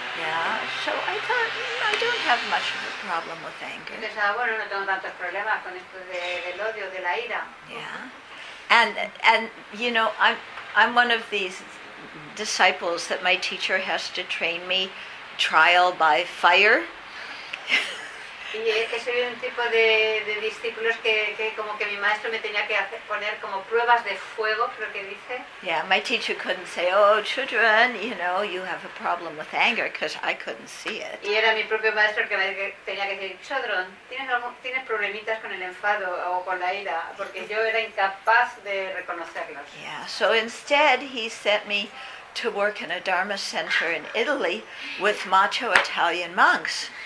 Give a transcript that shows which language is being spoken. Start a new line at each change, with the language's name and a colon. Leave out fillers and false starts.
English: Yeah, so I thought, I don't have much of a problem with anger.
Spanish: Pensaba, bueno, no tengo tantos problemas con esto del odio, de la ira.
English: Yeah, and you know, I'm one of these disciples that my teacher has to train me trial by fire.
Spanish: Y que soy un tipo de discípulos que como que mi maestro me tenía que poner como pruebas de fuego, creo que dice.
English: Yeah, my teacher couldn't say, oh, children, you know, you have a problem with anger, because I couldn't see it.
Spanish: Y era mi propio maestro el que me tenía que decir, children, ¿tienes problemitas con el enfado o con la ira? Porque yo era incapaz de reconocerlos.
English: Yeah, so instead he sent me to work in a Dharma center in Italy with macho Italian monks.